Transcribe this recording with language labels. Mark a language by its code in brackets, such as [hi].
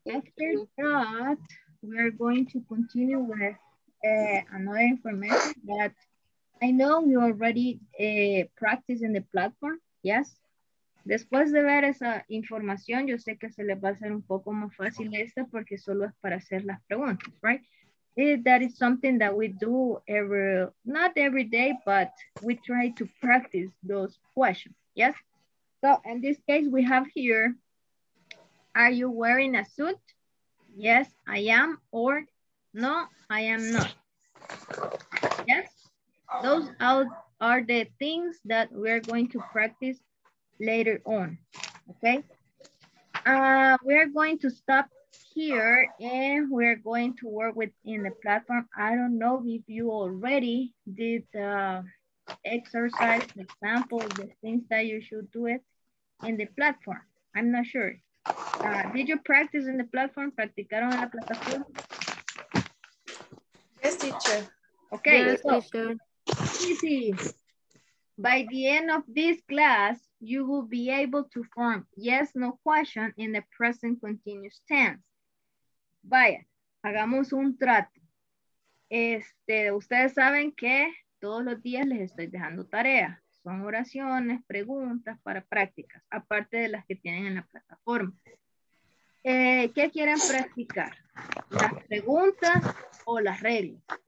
[en] After that, we're going to continue with another information that I know you already practiced in the platform. Yes. [es] Después de ver esa información, yo sé que se les va a hacer un poco más fácil esta porque solo es para hacer las preguntas, [en] right? That is something that we do not every day, but we try to practice those questions, yes? So in this case, we have here, are you wearing a suit? Yes, I am, or no, I am not. Yes, those are the things that we're going to practice later on. Okay, we're going to stop here and we're going to work within the platform. I don't know if you already did the exercise, the example, the things that you should do it in the platform. I'm not sure. Did you practice in the platform? [es] ¿Practicaron en la plataforma? [en] Yes, teacher. Okay, yes, teacher. Easy. By the end of this class, you will be able to form yes, no question in the present continuous tense. [es] Vaya, hagamos un trato. Ustedes saben que todos los días les estoy dejando tareas. Son oraciones, preguntas para prácticas, aparte de las que tienen en la plataforma. ¿Qué quieren practicar? ¿Las preguntas o las reglas?